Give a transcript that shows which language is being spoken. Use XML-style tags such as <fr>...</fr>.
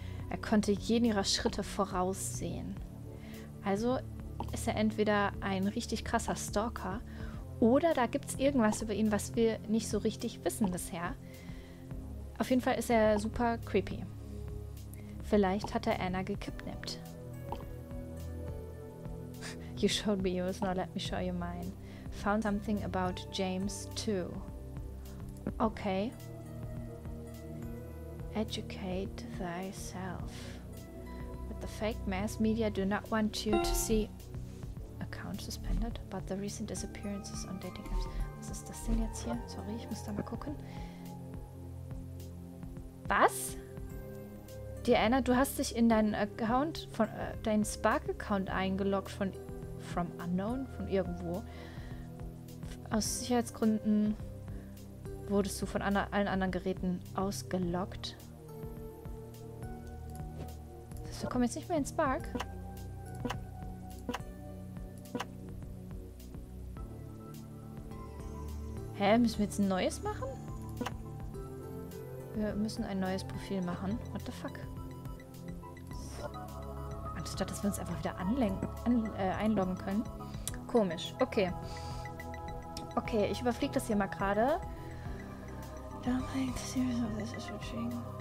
<de>Er konnte jeden ihrer Schritte voraussehen. Also ist er entweder ein richtig krasser Stalker oder da gibt es irgendwas über ihn, was wir nicht so richtig wissen bisher. Auf jeden Fall ist er super creepy. Vielleicht hat er Anna gekidnappt.</de> <en>You showed me yours, now let me show you mine. Found something about James too. Okay. Educate thyself. But the fake mass media do not want you to see... Account suspended, but the recent disappearances on dating apps.</en> <de>Was ist das denn jetzt hier? Sorry, ich muss da mal gucken. Was? Diana, du hast dich in deinen Account von deinen Spark-Account eingeloggt von From Unknown, von irgendwo. Aus Sicherheitsgründen wurdest du von allen anderen Geräten ausgeloggt. Du kommst jetzt nicht mehr in Spark. Hä, müssen wir jetzt ein neues machen? Wir müssen ein neues Profil machen.</de> <en>What the fuck?</en> <de>Anstatt, dass wir uns einfach wieder einloggen können. Komisch. Okay. Okay, ich überfliege das hier mal gerade.</de> <en>Downplaying the series of this is switching.</en>